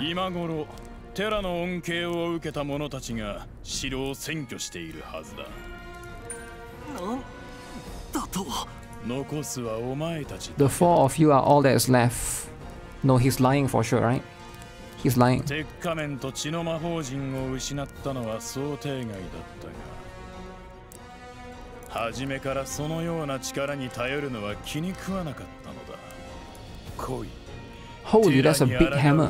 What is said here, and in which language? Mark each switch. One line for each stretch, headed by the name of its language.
Japanese: 今頃、テラの恩恵を受けた者たちが城を占拠しているはずだ。なんだと。残すはお前たち。
English: The four of you are all that is left. No, he's lying for sure, right? He's lying.
Japanese: 鉄仮面と血の魔法陣を失ったのは想定外だったが。はじめからそのような力に頼るのは気に食わなかったのだ。来い。
English: Holy, that's a big hammer.